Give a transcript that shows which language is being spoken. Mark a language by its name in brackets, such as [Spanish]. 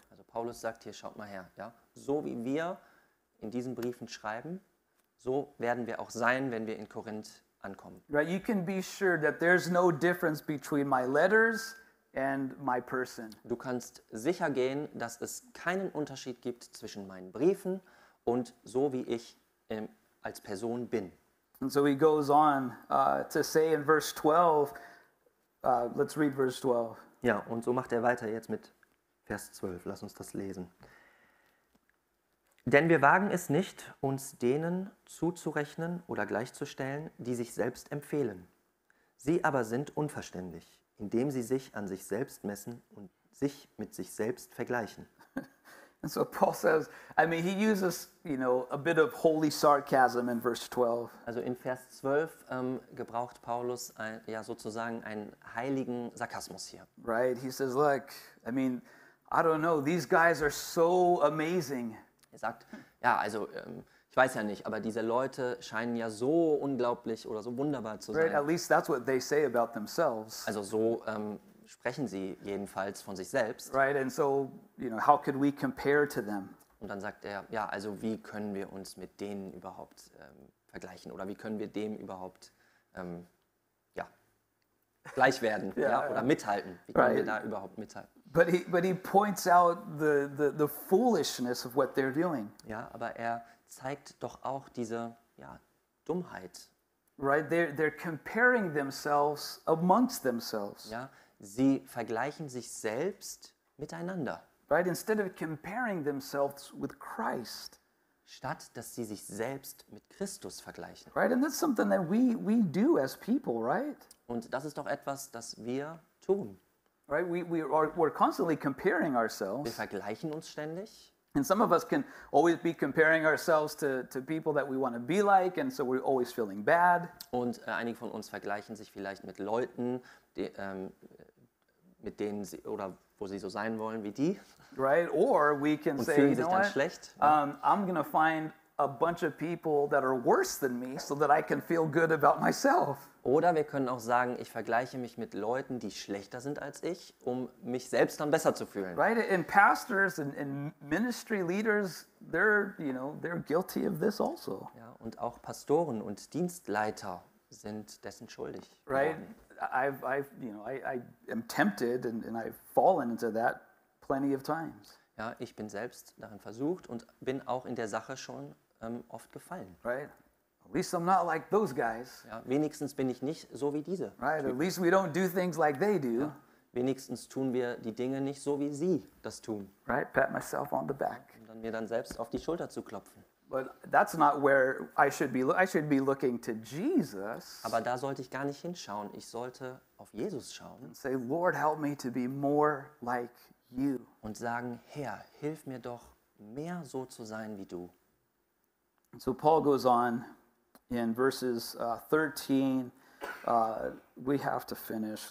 [German] Also Paulus sagt hier, schaut mal her, ja, so wie wir in diesen Briefen schreiben, so werden wir auch sein, wenn wir in Korinth ankommen. [English] Right, you can be sure that there's no difference between my letters and my person. [German] Du kannst sicher gehen, dass es keinen Unterschied gibt zwischen meinen Briefen und so wie ich als Person bin. [English] And so he goes on to say in verse 12, let's read verse 12. [German] Ja, und so macht er weiter jetzt mit Vers 12. Lass uns das lesen. Denn wir wagen es nicht, uns denen zuzurechnen oder gleichzustellen, die sich selbst empfehlen. Sie aber sind unverständlich, indem sie sich an sich selbst messen und sich mit sich selbst vergleichen. [English] And so Paul says, I mean, he uses, you know, a bit of holy sarcasm in verse 12. [German] Also in Vers 12 gebraucht Paulus sozusagen einen heiligen Sarkasmus hier. [English] Right, he says, look, I mean, I don't know, these guys are so amazing. [German] Er sagt, ja, also ich weiß ja nicht, aber diese Leute scheinen ja so unglaublich oder so wunderbar zu sein. [English] Right, at least that's what they say about themselves. [German] Also so sprechen sie jedenfalls von sich selbst. [English] Right, and so, you know, how could we compare to them? [German] Und dann sagt er, ja, also wie können wir uns mit denen überhaupt vergleichen oder wie können wir dem überhaupt gleich werden, yeah, ja, oder mithalten? Wie können [English] right. [German] wir da überhaupt mithalten? [English] But he points out the foolishness of what they're doing. [German] Ja, aber er zeigt doch auch diese Dummheit. [English] Right, they're comparing themselves amongst themselves. [German] Ja, sie vergleichen sich selbst miteinander. [English] Right, instead of comparing themselves with Christ. [German] Statt dass sie sich selbst mit Christus vergleichen. [English] Right, and that's something that we do as people, right? [German] Und das ist doch etwas, das wir tun. [English] Right, we're constantly comparing ourselves. [German] Wir vergleichen uns ständig. [English] And some of us can always be comparing ourselves to people that we want to be like, and so we're always feeling bad. [German] Und einige von uns vergleichen sich vielleicht mit Leuten, mit denen sie oder wo sie so sein wollen wie die. [English] Right, or we can [German] und [English] say, [German] fühlen sich dann schlecht. [English] I'm gonna find a bunch of people that are worse than me, so that I can feel good about myself. [German] Oder wir können auch sagen, ich vergleiche mich mit Leuten, die schlechter sind als ich, um mich selbst dann besser zu fühlen. [English] Right, and pastors and ministry leaders, they're guilty of this also. [German] Ja, und auch Pastoren und Dienstleiter sind dessen schuldig. [English] Right, I am tempted and I've fallen into that plenty of times. [German] Ja, ich bin selbst darin versucht und bin auch in der Sache schon oft gefallen. [English] Right. At least I'm not like those guys. [German] Ja, wenigstens bin ich nicht so wie diese. [English] Right, at least we don't do things like they do. [German] Ja, wenigstens tun wir die Dinge nicht so wie sie das tun. [English] Right, pat myself on the back. [German] Und dann mir dann selbst auf die Schulter zu klopfen. [English] But that's not where I should be. I should be looking to Jesus. [German] Aber da sollte ich gar nicht hinschauen. Ich sollte auf Jesus schauen. [English] And say, Lord, help me to be more like you. [German] Und sagen, Herr, hilf mir doch mehr so zu sein wie du. [English] So Paul goes on. In verses 13, we have to finish.